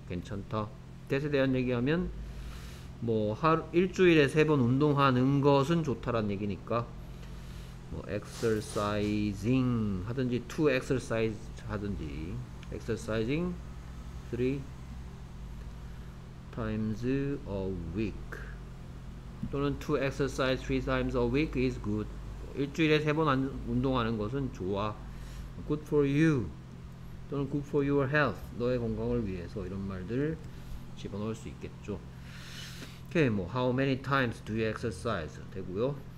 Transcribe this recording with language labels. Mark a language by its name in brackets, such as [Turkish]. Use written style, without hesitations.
[Korean] 괜찮다. 뎃에 대한 얘기하면 뭐 하루 일주일에 세번 운동하는 것은 좋다란 얘기니까 뭐 exercising 하든지 to exercise 하든지 [English] exercising three times a week 또는 to exercise three times a week is good. [Korean] 일주일에 세번 운동하는 것은 좋아. [English] Good for you 또는 good for your health. [Korean] 너의 건강을 위해서 이런 말들 집어넣을 수 있겠죠. [English] Okay, 뭐 how many times do you exercise [Korean] 되고요.